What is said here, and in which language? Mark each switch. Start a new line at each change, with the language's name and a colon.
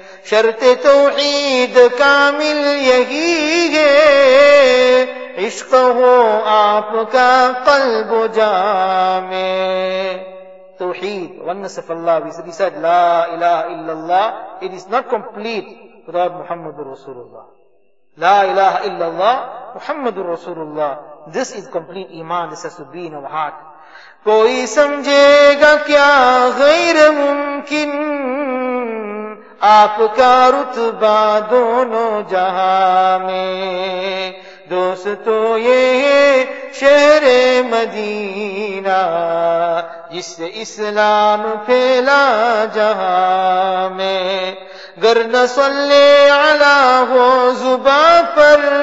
Urdu: شرط توحید کامل یہی ہے عشق ہو آپ کا قلب جامع
English: توحید oneness of Allah. We said
Arabic: لا الہ الا اللہ,
English: it is not complete without
Arabic: محمد رسول اللہ. لا الہ الا اللہ محمد رسول اللہ,
English: this is complete ایمان, this has to be in our heart.
Urdu: کوئی سمجھے گا کیا غیر ممکن آپ کا رتبہ دونوں جہاں میں دوستو یہ شہر مدینہ جس سے اسلام پھیلا جہاں میں گر نہ صلی علی ہو زباں پر